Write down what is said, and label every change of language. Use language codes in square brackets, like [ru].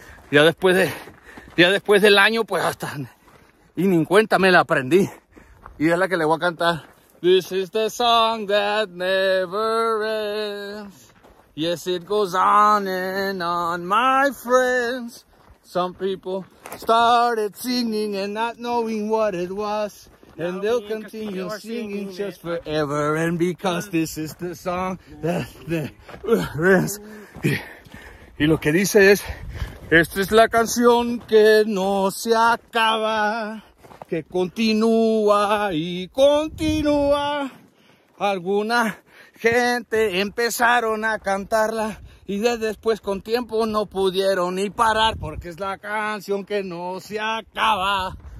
[es] Ya después del año, pues hasta, y ni en cuenta me la aprendí. Y es la que le voy a cantar. [en] This is the song that never ends. Yes, it goes on and on, my friends. Some people started singing and not knowing what it was. And they'll continue singing just forever. And because this is the song that never ends. [es] Y lo que dice es, esta es la canción que no se acaba, que continúa y continúa. Alguna gente empezaron a cantarla y de después con tiempo no pudieron ni parar, porque es la canción que no se acaba.